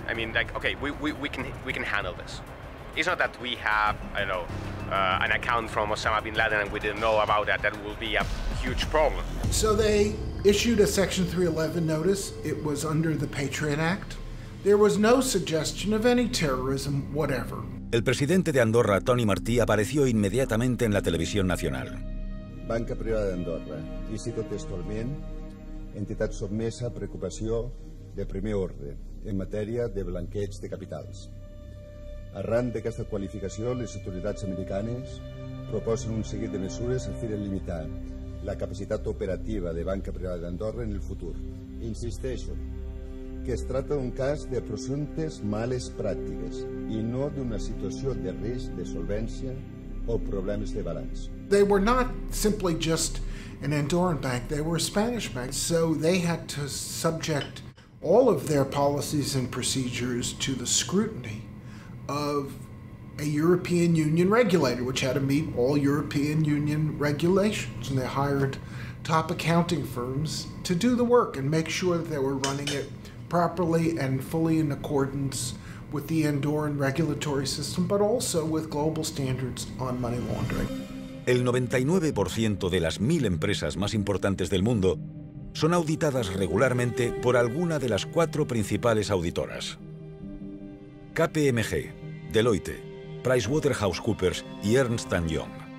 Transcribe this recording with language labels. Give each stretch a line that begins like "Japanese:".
English: I mean, like, okay, we can handle this. It's not that we have, I don't know, an account from Osama bin Laden and we didn't know about that. That will be a huge problem. So they issued a Section 311 notice. It was under the Patriot Act. There was no suggestion of any terrorism, whatever.
Spanish: El presidente de Andorra, Toni Martí, apareció inmediatamente en la televisión nacional.
Catalan: Banca Privada de Andorra,
Spanish: y cito textualmente,
Catalan: entitat sotmesa a preocupació de primer ordre en matèria de blanqueig de capitals. Arran d'aquesta qualificació, les autoritats americanes proposen un seguit de mesures a fi de limitar la capacitat operativa de Banca Privada d'Andorra en el futur. Insisteixo que es tracta d'un cas de presumptes males pràctiques i no d'una situació de risc de solvència o problemes de balanç.
English: They were not simply just an Andorran bank, they were a Spanish bank, so they had to subject all of their policies and procedures to the scrutiny of a European Union regulator, which had to meet all European Union regulations. And they hired top accounting firms to do the work and make sure that they were running it properly and fully in accordance with the Andorran regulatory system, but also with global standards on money laundering.
Spanish: El 99% de las 1000 empresas más importantes del mundo son auditadas regularmente por alguna de las cuatro principales auditoras. KPMG, Deloitte, PricewaterhouseCoopers y Ernst & Young.